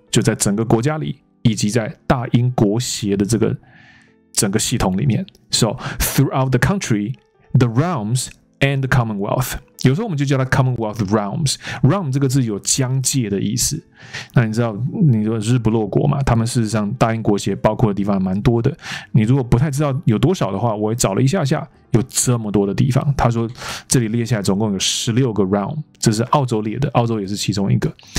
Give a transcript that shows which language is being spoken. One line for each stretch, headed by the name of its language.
Chinese: 就在整个国家里，以及在大英国协的这个整个系统里面。
English: So throughout the country, the realms and the Commonwealth.
Chinese: 有时候我们就叫它 Commonwealth realms. Realm 这个字有疆界的意思。那你知道，你说日不落国嘛？他们事实上大英国协包括的地方蛮多的。你如果不太知道有多少的话，我也找了一下，有这么多的地方。他说这里列下来总共有16个 realm， 这是澳洲列的，澳洲也是其中一个。